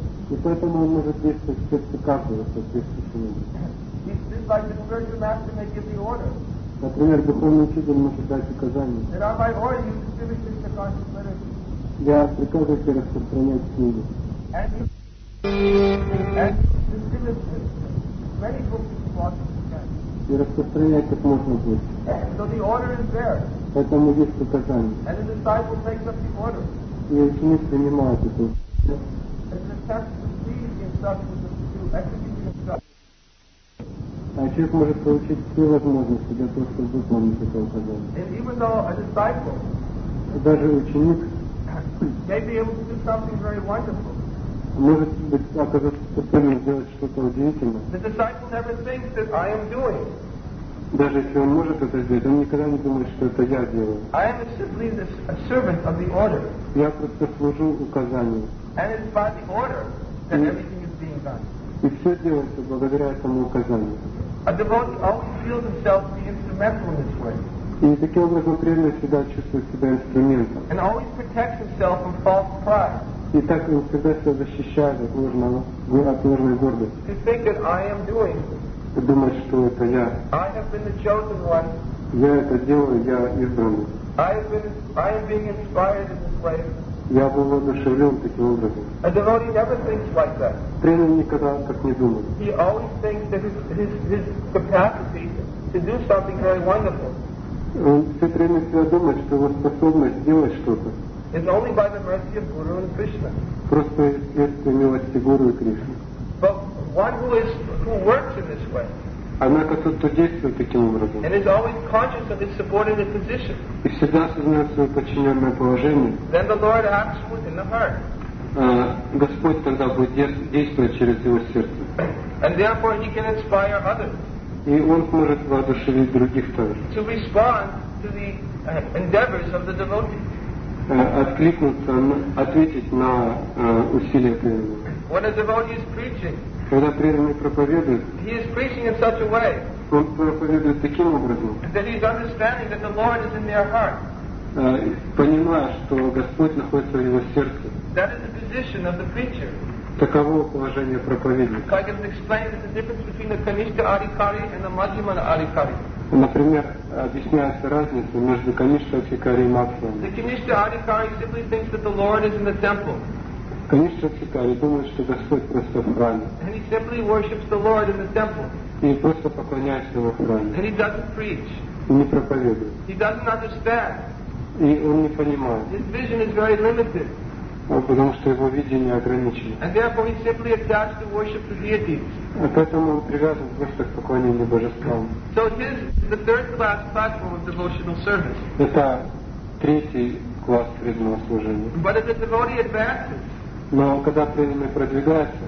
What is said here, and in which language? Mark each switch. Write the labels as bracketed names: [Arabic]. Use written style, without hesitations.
[Russian] И поэтому он может действовать в сердце каждого, соответственно. [English] He says, like the spiritual master may give the order. [Russian] Например, духовный учитель может дать [English] указание. That on my order you distribute the conscious literature. [Russian] Я приказываю тебе распространять книги. [English] And you distribute many books as possible. [Russian] И распространять как можно больше. [English] So the order is there. [Russian] Поэтому есть указание. [English] And the disciple takes up the order. [Russian] И ученик принимает это. [English] As the text receives the instructions to execute the instructions. [Russian] А человек может получить все возможности для того, чтобы выполнить это указание. [English] And even though a disciple, [Russian] даже ученик, [English] may be able to do something very wonderful, [Russian] может быть, оказаться способным сделать что-то удивительное. [English] The disciple never thinks that I am doing. [Russian] Даже если он может это сделать, он никогда не думает, что это я делаю. [English] I am simply a servant of the order. [Russian] Я просто служу указанию. [English] And it's by the order that everything is being done. [Russian] И все делается благодаря этому указанию. [English] A devotee always feels himself to be instrumental in this way. [Russian] И таким образом преданный всегда чувствует себя инструментом. [English] And always protects himself from false pride. [Russian] И так он всегда себя защищает от ложного, гордости. [English] To think that I am doing. [Russian] Думать, что это я. [English] I have been the chosen one. [Russian] Я это делаю, я избранный. [English] I am being inspired in this way. [Russian] Я был воодушевлен таким образом. [English] A devotee never thinks like that. [Russian] Преданный никогда так не думает. [English] He always thinks that his capacity to do something very wonderful. [Russian] Все преданные всегда думают, что его способность сделать что-то. [English] It's only by the mercy of Guru and Krishna. [Russian] Просто есть милости Гуру и Кришны. [English] But one who works in this way. [Russian] Однако тот, кто действует таким образом. [English] And is always conscious of his subordinate position. [Russian] И всегда осознает свое подчиненное положение. [English] Then the Lord acts within the heart. [Russian] Господь тогда будет действовать через его сердце. [English] And therefore he can inspire others. [Russian] И он может воодушевить других тоже. [English] To respond to the endeavors of the devotee. [Russian] Откликнуться, ответить на усилия преданного. [English] When a devotee is preaching. [Russian] Когда преданный проповедует, [English] he is preaching in such a way, [Russian] он проповедует таким образом, [English] that he is understanding that the Lord is in their heart. [Russian] Понимая, что Господь находится в его сердце. [English] That is the position of the preacher. [Russian] Таково положение проповедника. [English] Like it is explained that the difference between the Kanishka Adhikari and the Madhyamana Adhikari. [Russian] Например, объясняется разница между Kanishka Adhikari и Madhyamana. [English] The Kanishka Adhikari simply thinks that the Lord is in the temple. [Russian] Конечно, цикарий думает, что Господь просто в храме. [English] And he simply worships the Lord in the temple. [Russian] И просто поклоняется его в храме. [English] And he doesn't preach. [Russian] И не проповедует. [English] He doesn't understand. [Russian] И он не понимает. [English] His vision is very limited. [Russian] Потому что его видение ограничено. [English] And therefore he simply attached to worship the deities. [Russian] А поэтому он привязан просто к поклонению божествам. [English] So his the third class platform of devotional service. [Russian] Это третий класс преданного служения. [English] But if the devotee advances. [Russian] Но когда преданный продвигается